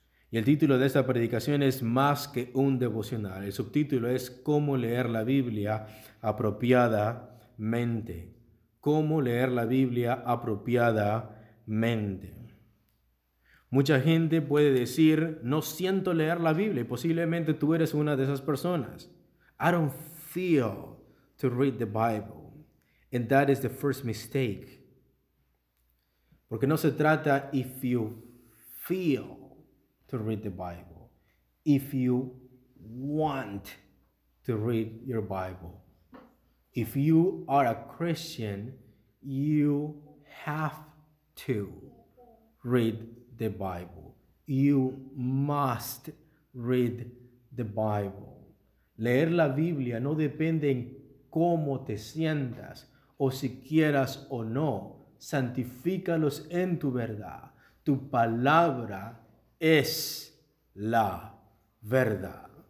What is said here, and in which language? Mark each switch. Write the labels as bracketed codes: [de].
[es] Y el título de esta predicación es Más que un devocional. El subtítulo es Cómo leer la Biblia apropiadamente. Cómo leer la Biblia apropiadamente. Mucha gente puede decir, no siento leer la Biblia. Posiblemente tú eres una de esas personas. [en] I don't feel to read the Bible. And that is the first mistake. [es] Porque no se trata [en] if you feel to read the Bible, if you want to read your Bible, if you are a Christian, you have to read the Bible. You must read the Bible. [es] Leer la Biblia no depende en cómo te sientas o si quieras o no. Santifícalos en tu verdad. Tu palabra es la verdad.